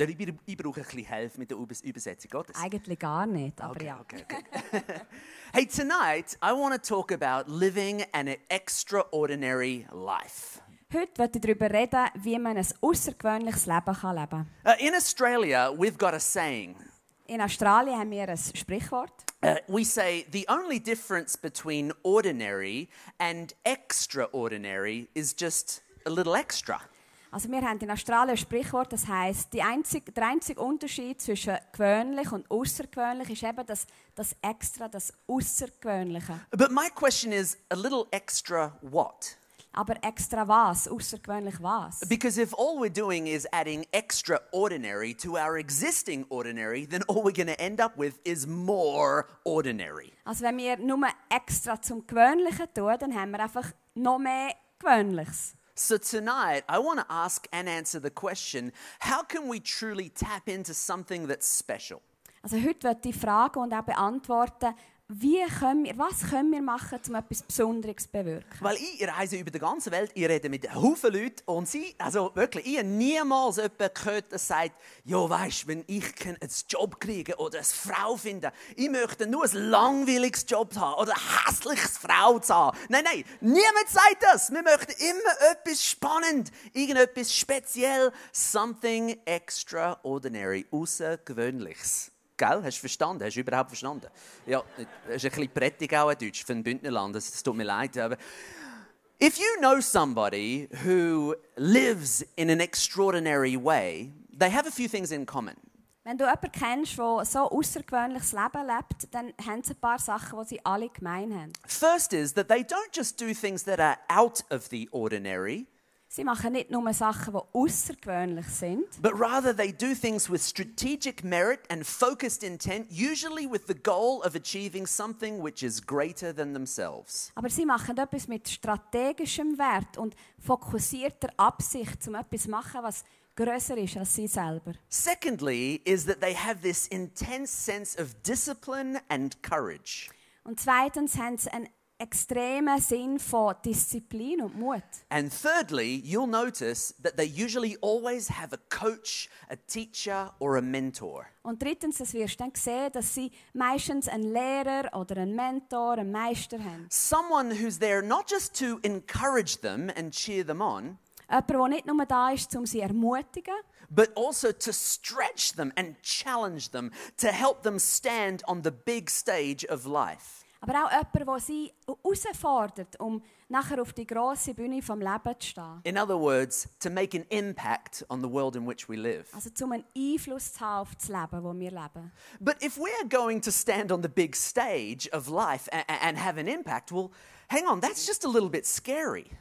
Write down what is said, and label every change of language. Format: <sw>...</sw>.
<de>Ich brauche ein bisschen Hilfe mit der Übersetzung. Geht das? Eigentlich gar nicht, aber okay, ja.</de> <en>Okay. Hey, tonight I want to talk about living an extraordinary life.</en> <de>Heute möchte ich darüber reden, wie man ein außergewöhnliches Leben kann leben.</de> <en>In Australia, we've got a saying.</en> <de>In Australien haben wir ein Sprichwort.</de> <en>We say, the only difference between ordinary and extraordinary is just a little extra.</en> <de>Also wir haben in Australien ein Sprichwort, das heisst, der einzige Unterschied zwischen gewöhnlich und außergewöhnlich ist eben das Extra, das Außergewöhnliche.</de> <en>But my question is, a little extra what?</en> <de>Aber extra was? Außergewöhnlich was?</de> <en>Because if all we're doing is adding extraordinary to our existing ordinary, then all we're going to end up with is more ordinary.</en> <de>Also wenn wir nur extra zum Gewöhnlichen tun, dann haben wir einfach noch mehr Gewöhnliches.</de> <en>So tonight, I want to ask and answer the question, how can we truly tap into something that's special?</en> <de>Also heute wird die Frage und auch beantworten, was können wir machen, um etwas Besonderes zu bewirken? Weil ich reise über die ganze Welt, ich rede mit Haufen Leuten und sie, also wirklich, ich habe niemals jemanden gehört, der sagt, ja weisst, wenn ich einen Job kriege oder eine Frau finde, ich möchte nur ein langweiliges Job haben oder eine hässliche Frau zu haben. Nein, niemand sagt das. Wir möchten immer etwas spannend, irgendetwas speziell,</de> <en>something extraordinary,</en> <de>außergewöhnliches. Gell? Hast du verstanden? Hast du überhaupt verstanden? Ja, das ist ein bisschen prättig auch in Deutsch für ein Bündnerland. Es tut mir leid. Aber</de> <en>if you know somebody who lives in an extraordinary way, they have a few things in common.</en> <de>Wenn du jemanden kennst, der so außergewöhnliches Leben lebt, dann haben sie ein paar Sachen, die sie alle gemein haben.</de> <en>First is that they don't just do things that are out of the ordinary.</en> <de>Sie machen nicht nur Sachen, die außergewöhnlich sind.</de> <en>But rather they do things with strategic merit and focused intent, usually with the goal of achieving something which is greater than themselves.</en> <de>Aber sie machen etwas mit strategischem Wert und fokussierter Absicht, um etwas zu machen, was grösser ist als sie selber.</de> <en>Secondly is that they have this intense sense of discipline and courage.</en> <de>Und zweitens haben sie ein extremer Sinn von Disziplin und Mut.</de> <en>And thirdly, you'll notice that they usually always have a coach, a teacher or a mentor.</en> <de>Und drittens, das wirst du dann sehen, dass sie meistens einen Lehrer oder einen Mentor, einen Meister haben.</de> <en>Someone who's there not just to encourage them and cheer them on.</en> <de>Jemand, der nicht nur da ist, um sie ermutigen.</de> <en>But also to stretch them and challenge them, to help them stand on the big stage of life.</en> <de>Aber auch jemand, der sie herausfordert, um nachher auf die grosse Bühne vom Leben zu stehen.</de> <en>In other words, to make an impact on the world in which we live.</en> <de>Also um einen Einfluss zu haben auf das Leben, wo wir leben.</de> <en>But if we're going to stand on the big stage of life and have an impact, well, hang on, that's just a little bit scary.</en>